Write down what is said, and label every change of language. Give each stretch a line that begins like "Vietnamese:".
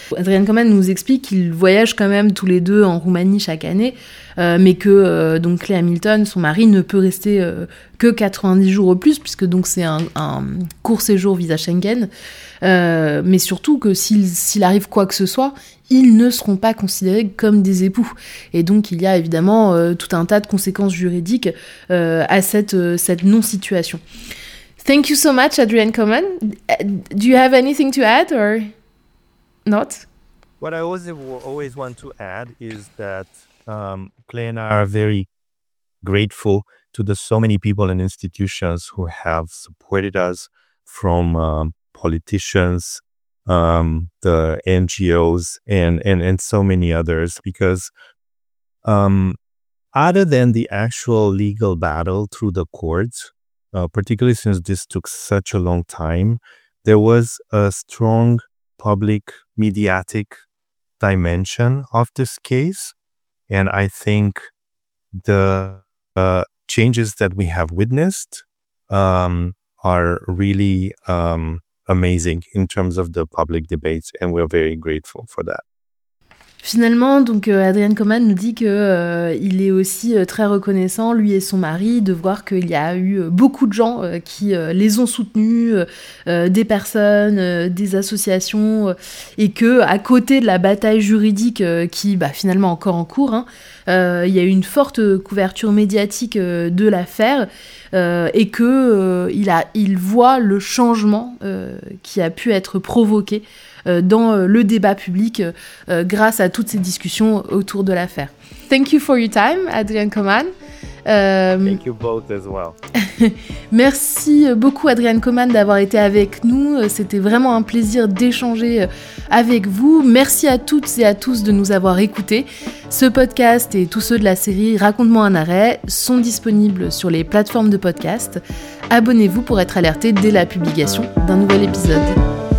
French: Adrian Coman nous explique qu'ils voyagent quand même tous les deux en Roumanie chaque année, mais que donc Clay Hamilton, son mari, ne peut rester que 90 jours au plus, puisque donc c'est un court séjour visa Schengen, mais surtout que s'il arrive quoi que ce soit, ils ne seront pas considérés comme des époux. Et donc, il y a évidemment tout un tas de conséquences juridiques à cette non-situation.
English: Thank you so much, Adrian Coman. Do you have anything to add or not? What I always want to add is that Clay and I are very grateful to the so many people and institutions who have supported us, from politicians, the NGOs and so many others, because other than the actual legal battle through the courts, particularly since this took such a long time, there was a strong public mediatic dimension of this case. And I think the changes that we have witnessed are really... amazing in terms of the public debates, and we're very grateful for that.
French: Finalement, donc Adrian Coman nous dit que il est aussi très reconnaissant, lui et son mari, de voir qu'il y a eu beaucoup de gens qui les ont soutenus, des personnes, des associations, et que à côté de la bataille juridique qui, bah, finalement encore en cours, hein, il y a eu une forte couverture médiatique de l'affaire, et que il voit le changement qui a pu être provoqué dans le débat public grâce à toutes ces discussions autour de l'affaire.
English: Thank you for your time, Adrian Coman. Thank you both as well.
French: Merci beaucoup, Adrian Coman, d'avoir été avec nous. C'était vraiment un plaisir d'échanger avec vous. Merci à toutes et à tous de nous avoir écoutés. Ce podcast et tous ceux de la série Raconte-moi un arrêt sont disponibles sur les plateformes de podcast. Abonnez-vous pour être alerté dès la publication d'un nouvel épisode.